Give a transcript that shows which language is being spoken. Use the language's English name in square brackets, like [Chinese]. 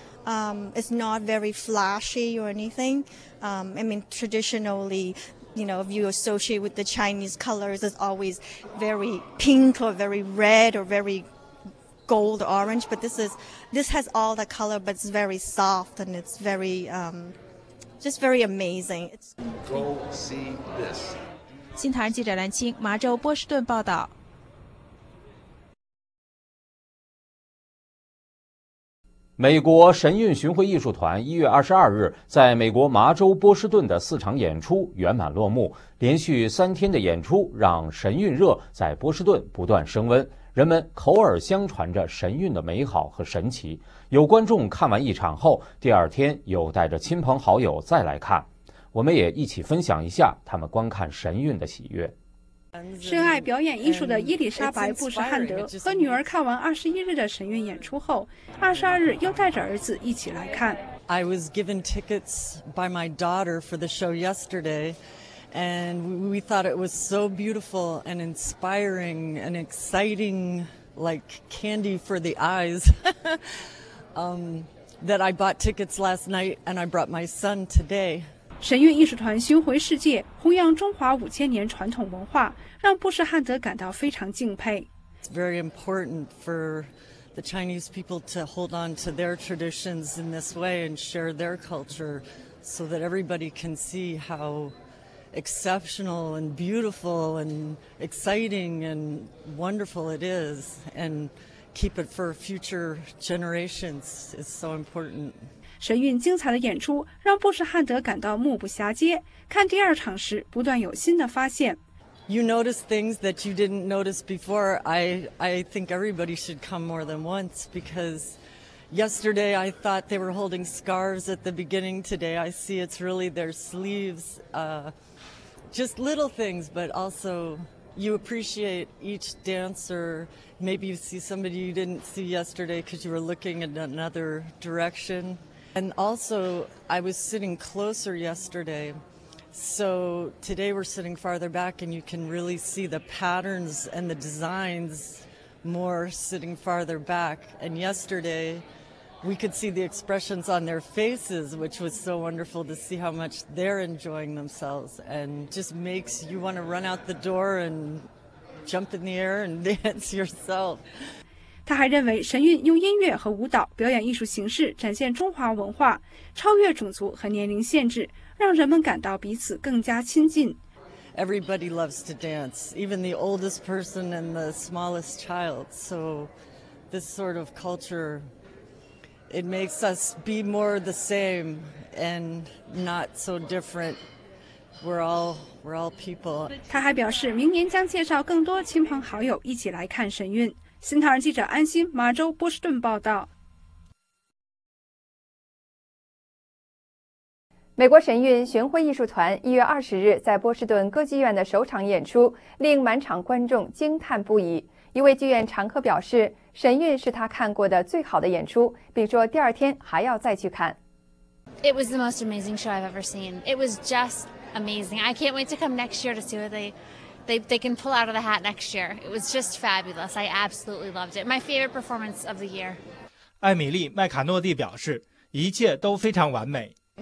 [English] It's not very flashy or anything. Traditionally, you know, if you associate with the Chinese colors, it's always very pink or very red or very gold orange, but this has all the color, but it's very soft and it's very just very amazing. Go see this. [Chinese] 新唐人记者蓝青，麻州波士顿报道。美国神韵巡回艺术团1月22日在美国麻州波士顿的四场演出圆满落幕，连续三天的演出让神韵热在波士顿不断升温。人们口耳相传着神韵的美好和神奇，有观众看完一场后，第二天又带着亲朋好友再来看。我们也一起分享一下他们观看神韵的喜悦。深爱表演艺术的伊丽莎白·布什汉德和女儿看完21日的神韵演出后，22日又带着儿子一起来看。 [English] I was given tickets by my daughter for the show yesterday. And we thought it was so beautiful and inspiring and exciting, like candy for the eyes, that I bought tickets last night and I brought my son today. [Chinese] 神韵艺术团巡回世界，弘扬中华五千年传统文化，让布什汉德感到非常敬佩。 [English] It's very important for the Chinese people to hold on to their traditions in this way and share their culture so that everybody can see how... exceptional and beautiful and exciting and wonderful it is and keep it for future generations is so important. [Chinese] 神韵精彩的演出让布什汉德感到目不暇接，看第二场时不断有新的发现。 [English] You notice things that you didn't notice before. I think everybody should come more than once because yesterday I thought they were holding scarves at the beginning. Today I see it's really their sleeves. Just little things, but also you appreciate each dancer. Maybe you see somebody you didn't see yesterday because you were looking in another direction. And also, I was sitting closer yesterday, so today we're sitting farther back, and you can really see the patterns and the designs more sitting farther back. And yesterday, we could see the expressions on their faces, which was so wonderful to see how much they're enjoying themselves and just makes you want to run out the door and jump in the air and dance yourself. [Chinese] 他还认为神韵用音乐和舞蹈表演艺术形式展现中华文化，超越种族和年龄限制，让人们感到彼此更加亲近。 [English] Everybody loves to dance, even the oldest person and the smallest child. So this sort of culture... It makes us be more the same and not so different. We're all people. [Chinese] 他还表示，明年将介绍更多亲朋好友一起来看神韵。新唐人记者安心，麻州波士顿报道。美国神韵巡回艺术团1月20日在波士顿歌剧院的首场演出令满场观众惊叹不已。一位剧院常客表示，神韵是他看过的最好的演出，并说第二天还要再去看。 [English] It was the most amazing show I've ever seen. It was just amazing. I can't wait to come next year to see what they can pull out of the hat next year. It was just fabulous. I absolutely loved it. My favorite performance of the year. [Chinese] 艾米丽·麦卡诺蒂表示，一切都非常完美。